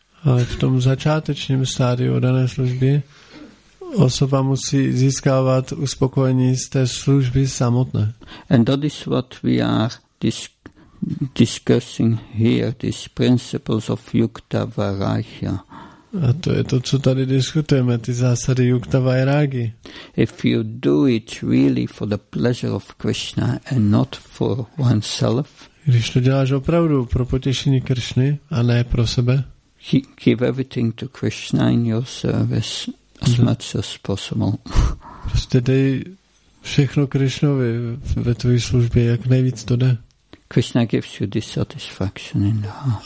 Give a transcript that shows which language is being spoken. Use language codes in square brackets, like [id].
[cs] Ale v tom začátečním stádiu dané služby osoba musí získávat uspokojení z té služby samotné. [en] And that is what we are discussing here, these principles of Yukta Vairagya. [cs] A to je to, co tady diskutujeme, ty zásady Yukta Vairagya. [en] If you do it really for the pleasure of Krishna and not for oneself, [cs] když to děláš opravdu pro potěšení Kršny a ne pro sebe, [en] give everything to Krishna in your service. As much as possible. [cs] Prostě dej všechno Krišnovi ve tvojí službě, jak nejvíc to jde. [en] Krishna gives you this satisfaction in the heart.